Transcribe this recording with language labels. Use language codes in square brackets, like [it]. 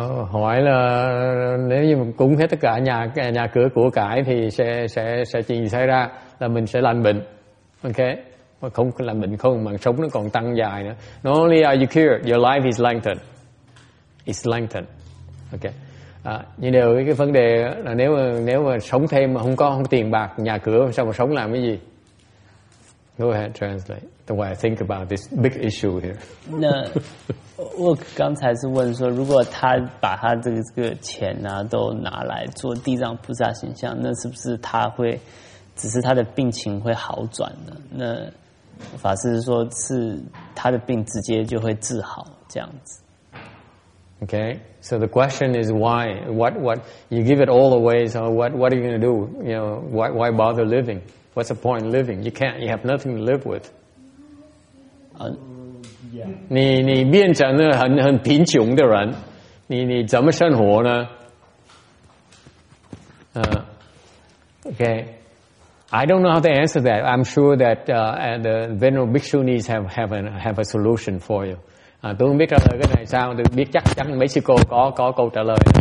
[vi] Hỏi là nếu như mình cúng hết tất cả nhà cửa của cải thì sẽ chuyện gì xảy ra, là mình sẽ lành bệnh, ok, mà không lành bệnh không mà sống nó còn tăng dài nữa. [en] Not only are you cured, your life is lengthened, ok. [vi] Nhưng đều cái vấn đề là nếu mà sống thêm mà không có tiền bạc nhà cửa sao mà sống làm cái gì. [en] Go ahead, translate the way I think about this big issue here. [zh] 那 Work 刚才是问说，如果他把他这个钱啊都拿来做地藏菩萨形象，那是不是他会，只是他的病情会好转呢？那法师说是他的病直接就会治好这样子。 [en] Okay, so the question is why? What you give it all away? So what are you going to do? You know, why bother living? What's the point in living? You can't. You have nothing to live with. Yeah. [zh] 你变成了很贫穷的人，你怎么生活呢？ [en] Okay. I don't know how to answer that. I'm sure that the venerable bhikshunis have a solution for you. [vi] Tôi không biết trả lời cái này sao, tôi biết chắc chắn mấy sư cô có câu trả lời.